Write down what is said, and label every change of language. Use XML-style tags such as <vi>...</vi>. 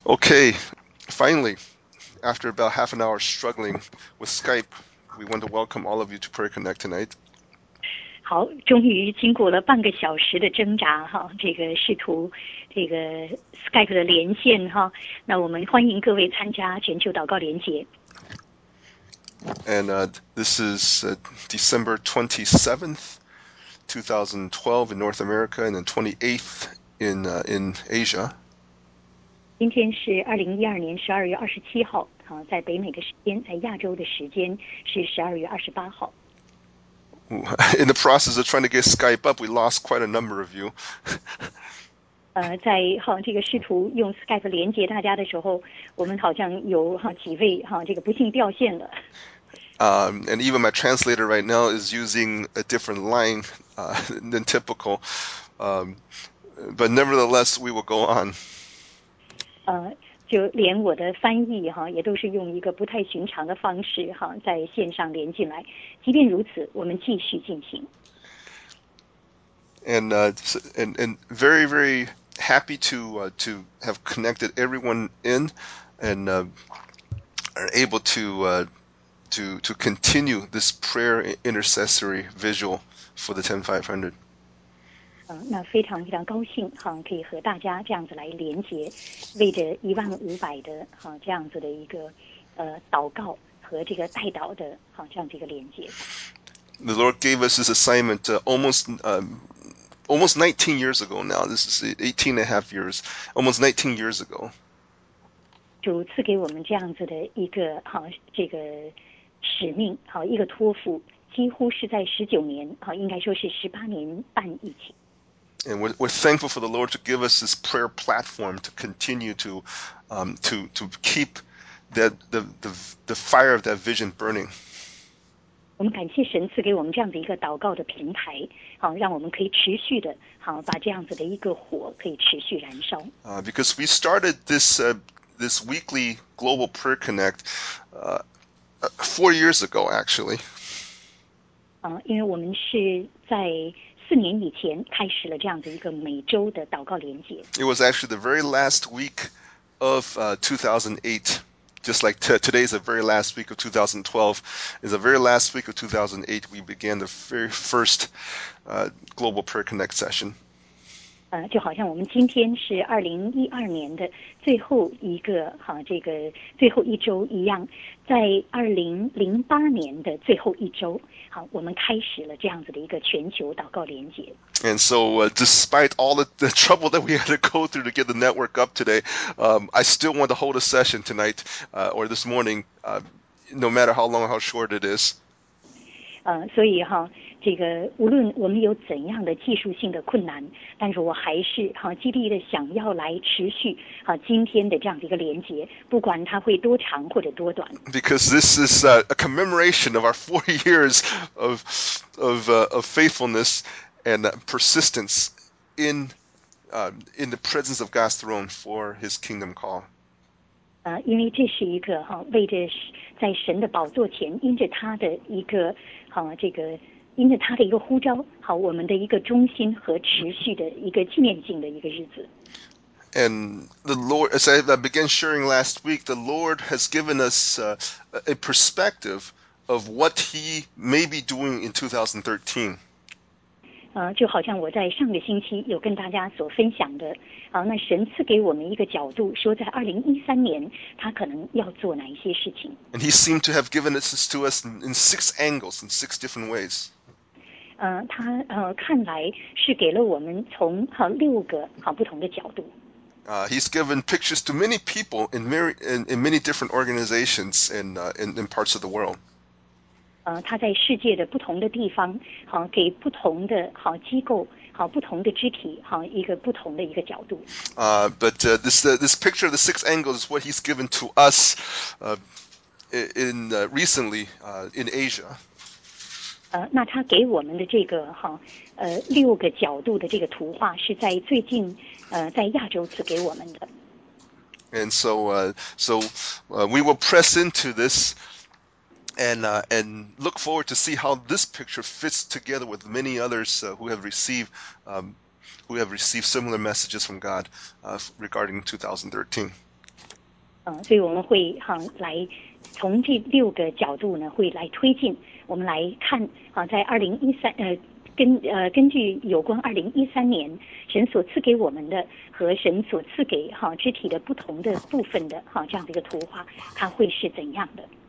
<en>Okay, finally, after about half an hour struggling with Skype, we want to welcome all of you to Prayer Connect tonight.</en> <zh>好，终于经过了半个小时的挣扎哈，这个试图这个 Skype 的连线哈，那我们欢迎各位参加全球祷告连结。</zh> <en>And this is December 27th, 2012 in North America, and then 28th in Asia.</en> <zh>今天是2012年12月27号，好，在北美的时间，在亚洲的时间是12月28号。</zh> <en>In the process of trying to get Skype up, we lost quite a number of you.</en> <zh>在哈这个试图用 Skype 连接大家的时候，我们好像有哈几位哈这个不幸掉线了。</zh> <en>And even my translator right now is using a different line than typical. But nevertheless, we will go on.</en> <zh>就连我的翻译哈，也都是用一个不太寻常的方式哈，在线上连进来。即便如此，我们继续进行。</zh> <en>And, and very, very happy to have connected everyone in and are able to continue this prayer intercessory vigil for the 10500.</en> <zh>那非常非常高兴哈，可以和大家这样子来连接，为着15,000的哈这样子的一个祷告和这个代祷的哈这样子一个连接。</zh> <en>The Lord gave us this assignment almost 19 years ago now. This is 18 and a half years, almost 19 years ago.</en> <zh>主赐给我们这样子的一个哈这个使命哈一个托付，几乎是在19年哈，应该说是18年半以前。</zh> <en>And we're thankful for the Lord to give us this prayer platform to continue to keep that the fire of that vision burning.</en> <zh>我们感谢神赐给我们这样的一个祷告的平台，好，让我们可以持续的，好，把这样子的一个火可以持续燃烧。</zh> <en>Because we started this weekly global prayer connect 4 years ago, actually.</en> <zh>因为我们是在4年以前开始了这样的一个每周的祷告连结。</zh> <en>It was actually the very last week of 2008, just like today is the very last week of 2012. In the very last week of 2008, we began the very first Global Prayer Connect session.</en> <zh>就好像我们今天是2012年的最后一个哈这个最后一周一样，在2008年的最后一周，好，我们开始了这样子的一个全球祷告连结。</zh> <en>And so, despite all the trouble that we had to go through to get the network up today, I still want to hold a session tonight, or this morning, no matter how long or how short it is.</en> <zh>所以哈。这个无论我们有怎样的技术性的困难，但是我还是哈极力的想要来持续哈今天的这样的一个连结，不管它会多长或者多短。</zh> <en>Because this is a commemoration of our 4 years of faithfulness and persistence in the presence of God's throne for His kingdom call.</en> <zh>因为这是一个哈为着在神的宝座前，因着他的一个哈这个。因着他的一个呼召，好，我们的一个忠心和持续的一个纪念性的一个日子。</zh> <en>And the Lord, as I began sharing last week, the Lord has given us a perspective of what He may be doing in 2013.</en> <zh>就好像我在上个星期有跟大家所分享的，那神赐给我们一个角度，说在2013年他可能要做哪一些事情。</zh> <en>And He seemed to have given this to us in six angles, in six different ways.</en> <zh>他看来是给了我们从六个不同的角度。</zh> <en>He's given pictures to many people in many different organizations in parts of the world.</en> <zh>他在世界的不同的地方，给不同的机构，不同的肢体，一个不同的一个角度。</zh> <en>But this picture of the six angles is what He's given to us recently in Asia.</en> <zh>那他给我们的这个六个角度的这个图画是在最近在亚洲赐给我们的。</zh> <en>And so, we will press into this, and look forward to see how this picture fits together with many others who have received similar messages from God regarding 2013.</en> <zh>所以我们会来从这六个角度呢，会来推进，我们来看在二零一三根据有关二零一三年神所赐给我们的和神所赐给肢体的不同的部分的这样的一个图画，它会是怎样的？</zh>